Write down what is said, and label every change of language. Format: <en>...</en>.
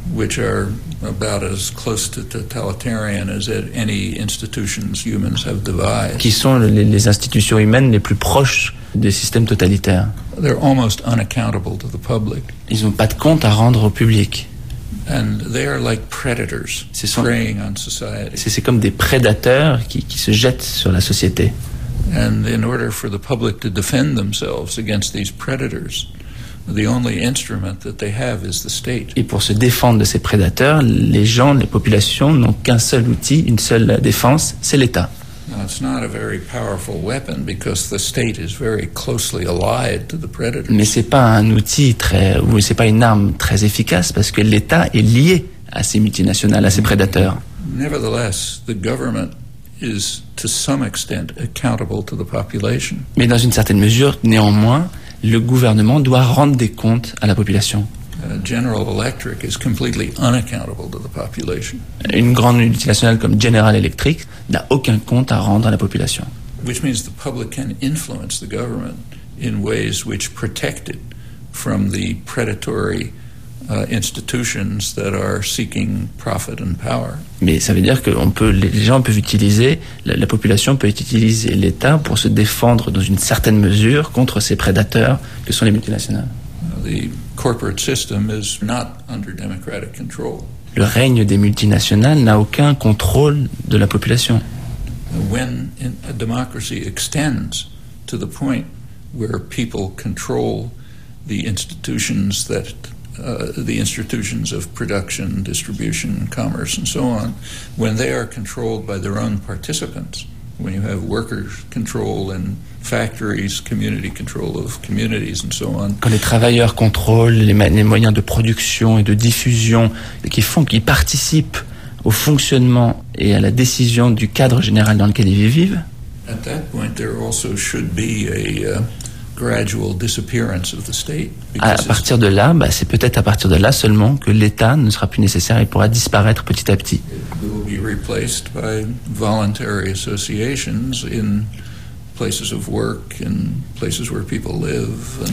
<en>Which are about as close to totalitarian as any institutions humans have devised.</en> <fr>Qui sont les institutions humaines les plus proches des systèmes totalitaires.</fr> <en>They're almost unaccountable to the public.</en> <fr>Ils n'ont pas de compte à rendre au public.</fr> <en>And they are like predators preying on society.</en> <fr>C'est comme des prédateurs qui se jettent sur la société.</fr> <en>And in order for the public to defend themselves against these predators, the only instrument that they have is the state.</en> <fr>Et pour se défendre de ces prédateurs, les gens, les populations n'ont qu'un seul outil, une seule défense, c'est l'État.</fr> <en>Now, it's not a very powerful weapon because the state is very closely allied to the predators.</en> <fr>Mais c'est pas un outil très, ou c'est pas une arme très efficace parce que l'État est lié à ces multinationales, à ces prédateurs.</fr> <en>Nevertheless, the government is to some extent accountable to the population.</en> <fr>Mais dans une certaine mesure, néanmoins, le gouvernement doit rendre des comptes à la population.</fr> <en>General Electric is completely unaccountable to the population.</en> <fr>Une grande multinationale comme General Electric n'a aucun compte à rendre à la population.</fr> <en>Which means the public can influence the government in ways which protect it from the predatory institutions that are seeking profit and power.</en> <fr>Mais ça veut dire que la population peut utiliser l'État pour se défendre dans une certaine mesure contre ces prédateurs que sont les multinationales.</fr> <en>The corporate system is not under democratic control.</en> <fr>Le règne des multinationales n'a aucun contrôle de la population.</fr> <en>When a democracy extends to the point where people control the institutions that the institutions of production, distribution, commerce, and so on, when they are controlled by their own participants, when you have workers' control in factories, community control of communities, and so on.</en> <fr>Quand les travailleurs contrôlent les moyens de production et de diffusion qui participent au fonctionnement et à la décision du cadre général dans lequel ils vivent.</fr> <en>At that point, there also should be a gradual disappearance of the state.</en> <fr>À partir de là, bah, c'est peut-être à partir de là seulement que l'État ne sera plus nécessaire et pourra disparaître petit à petit.</fr> <en>It will be replaced by voluntary associations in places of work and places where people live.</en>